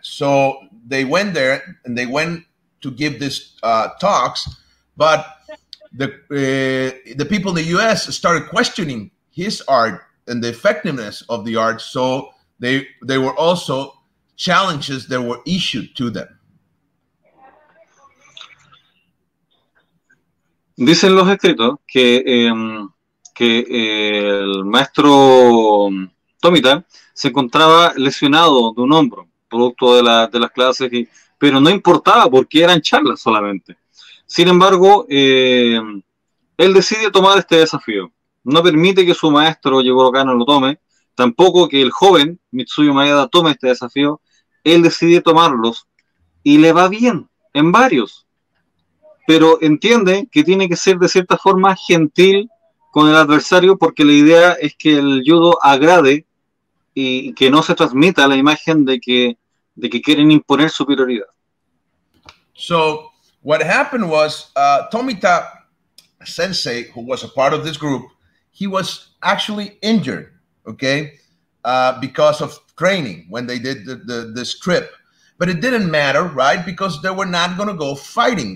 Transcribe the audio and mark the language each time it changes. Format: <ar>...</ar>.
<en>So they went there and they went to give this talks, but the people in the U.S. started questioning his art and the effectiveness of the art, so they were also challenges that were issued to them.</en> <es>Dicen los escritos que el maestro Tomita se encontraba lesionado de un hombro, producto de las clases, y, pero no importaba porque eran charlas solamente. Sin embargo, él decide tomar este desafío. No permite que su maestro Jigoro Kano lo tome, tampoco que el joven Mitsuyo Maeda tome este desafío. Él decide tomarlos y le va bien en varios, pero entiende que tiene que ser de cierta forma gentil con el adversario, porque la idea es que el judo agrade y que no se transmita la imagen de que quieren imponer superioridad.</es> <en>So what happened was Tomita Sensei, who was a part of this group, he was actually injured, okay, because of training when they did this trip. But it didn't matter, right, because they were not going to go fighting.</en>